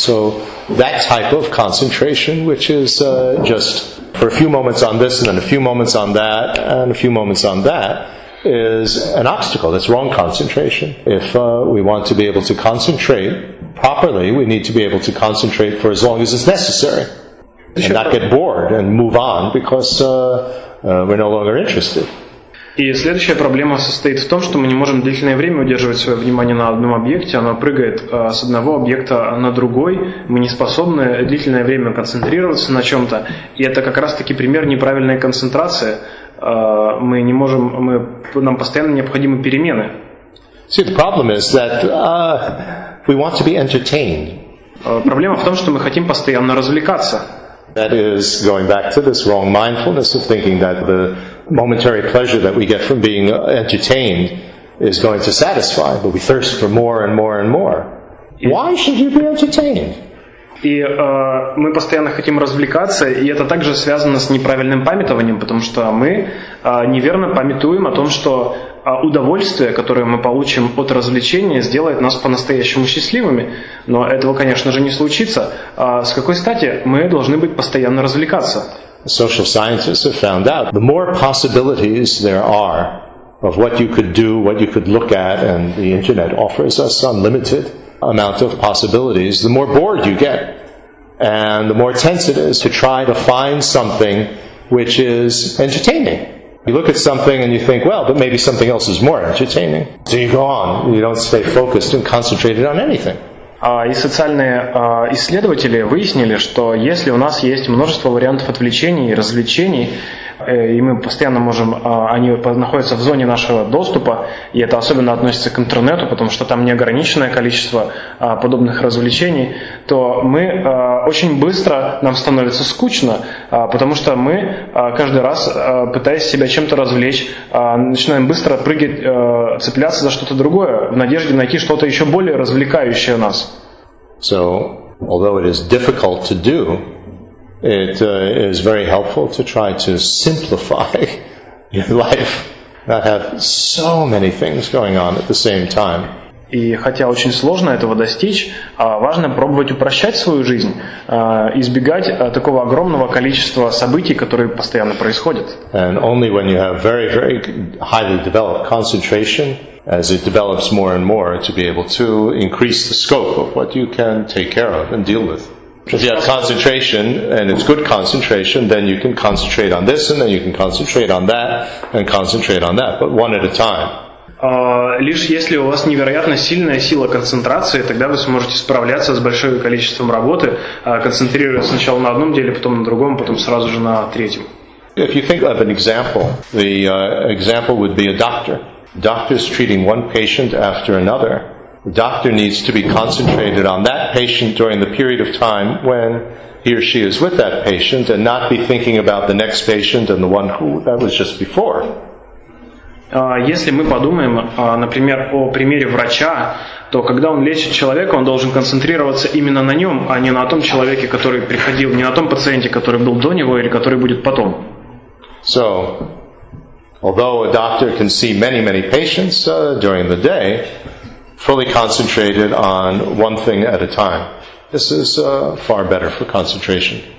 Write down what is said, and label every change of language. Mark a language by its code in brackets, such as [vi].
[en] So that type of concentration, which is just for a few moments on this, and then a few moments on that, and a few moments on that, is an obstacle. That's wrong concentration. If we want to be able to concentrate properly, we need to be able to concentrate for as long as it's necessary. And not get bored and move on because we're no longer interested. [ru] И следующая проблема состоит в том, что мы не можем длительное время удерживать свое внимание на одном объекте, оно прыгает с одного объекта на другой, мы не способны длительное время концентрироваться на чем-то, и это как раз-таки пример неправильной концентрации, мы не можем, нам постоянно необходимы перемены. [en] See, the problem is that we want to be entertained. [ru] Проблема в том, что мы хотим постоянно развлекаться. [en] That is going back to this wrong mindfulness of thinking that the momentary pleasure that we get from being entertained is going to satisfy, but we thirst for more and more and more. Why should you be entertained? [ru] И мы постоянно хотим развлекаться, и это также связано с неправильным памятованием, потому что мы неверно памятуем о том, что удовольствие, которое мы получим от развлечения, сделает нас по-настоящему счастливыми. Но этого, конечно же, не случится. С какой стати мы должны быть постоянно развлекаться? [en] Social scientists have found out the more possibilities there are of what you could do, what you could look at, and the internet offers us unlimited amount of possibilities, the more bored you get, and the more tense it is to try to find something which is entertaining. You look at something and you think, well, but maybe something else is more entertaining. So you go on. You don't stay focused and concentrated on anything. [ru] И социальные исследователи выяснили, что если у нас есть множество вариантов отвлечений и развлечений, и мы постоянно можем, они находятся в зоне нашего доступа, и это особенно относится к интернету, потому что там неограниченное количество подобных развлечений, то мы очень быстро, нам становится скучно, потому что мы каждый раз, пытаясь себя чем-то развлечь, начинаем быстро прыгать, цепляться за что-то другое, в надежде найти что-то еще более развлекающее нас. [en] So, although it is difficult to do, it is very helpful to try to simplify your life, not have so many things going on at the same time. [ru] И хотя очень сложно этого достичь, важно пробовать упрощать свою жизнь, избегать такого огромного количества событий, которые постоянно происходят. [en] And only when you have very, very highly developed concentration, as it develops more and more, to be able to increase the scope of what you can take care of and deal with. If you have concentration, and it's good concentration, then you can concentrate on this, and then you can concentrate on that, and concentrate on that, but one at a time. [ru] Лишь если у вас невероятно сильная сила концентрации, тогда вы сможете справляться с большим количеством работы, концентрируясь сначала на одном деле, потом на другом, потом сразу же на третьем. [en] If you think of an example, the example would be a doctor. Doctors treating one patient after another. The doctor needs to be concentrated on that patient during the period of time when he or she is with that patient and not be thinking about the next patient and the one who that was just before. [ru] Если мы подумаем, например, о примере врача, то когда он лечит человека, он должен концентрироваться именно на нем, а не на том человеке, который приходил, не на том пациенте, который был до него или который будет потом. [en] So, although a doctor can see many, many patients during the day, fully concentrated on one thing at a time, this is far better for concentration.